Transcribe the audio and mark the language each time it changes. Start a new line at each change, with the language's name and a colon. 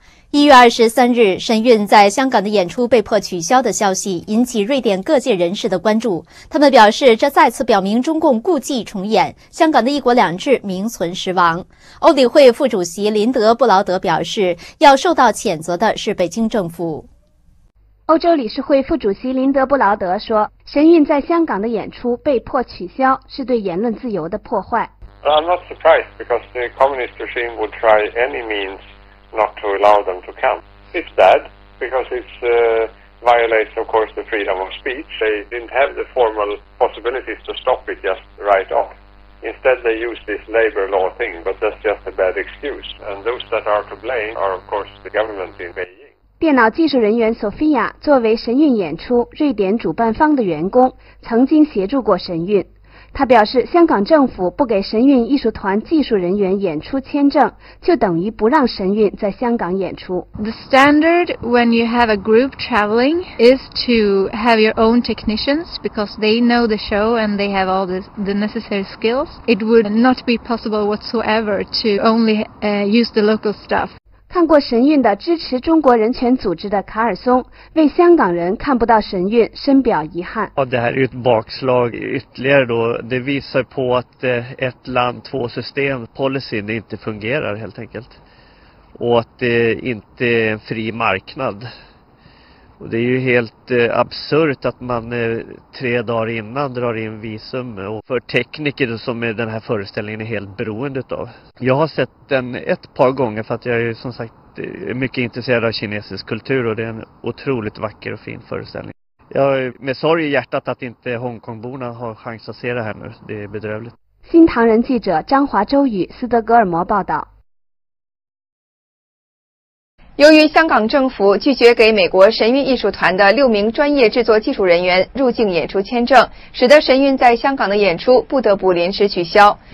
Chinese: 1月23日神韵在香港的演出被迫取消的消息引起瑞典各界人士的关注，他们表示这再次表明中共故伎重演，香港的一国两制名存实亡。欧理会副主席林德布劳德表示，要受到谴责的是北京政府。欧洲理事会副主席林德布劳德说，神韵在香港的演出被迫取消是对言论自由的破坏。
English: I'm not surprised because the communist regime would try any meansnot to allow them to come. It's bad because it's, violates, of course, the freedom of speech. They didn't have the formal possibilities to stop it just right off. Instead, they used this labor law thing, but that's just a bad excuse. And those that are to blame are, of course, the government in Beijing.
Chinese: 电脑技术人员 Sophia 作为神韵演出瑞典主办方的员工，曾经协助过神韵。他表示，香港政府不给神韵艺术团技术人员演出签证，就等于不让神韵在香港演出。
English: The standard when you have a group traveling is to have your own technicians because they know the show and they have all the necessary skills. It would not be possible whatsoever to only use the local staff.
Chinese: 看过神韵的支持中国人权组织的卡尔松为香港人看不到神韵深表遗憾。
Swedish: Och det här utbakslag ytterligare då, det visar på att ett land, två system policyn inte fungerar helt enkelt. Och att det inte är en fri marknad. Och det är ju helt absurt att man tre dagar innan drar in visum och för tekniker som är den här föreställningen är helt beroende av. Jag har sett den ett par gånger för att jag är som sagt mycket intresserad av kinesisk kultur och det är en otroligt vacker och fin föreställning. Jag är med sorg i hjärtat att inte Hongkongborna har chans att se det här nu. Det är bedrövligt.
Chinese: 新唐人记者张华、周宇、斯德哥尔摩报道。由于香港政府拒绝给美国神韵艺术团的六名专业制作技术人员入境演出签证，使得神韵在香港的演出不得不临时取消。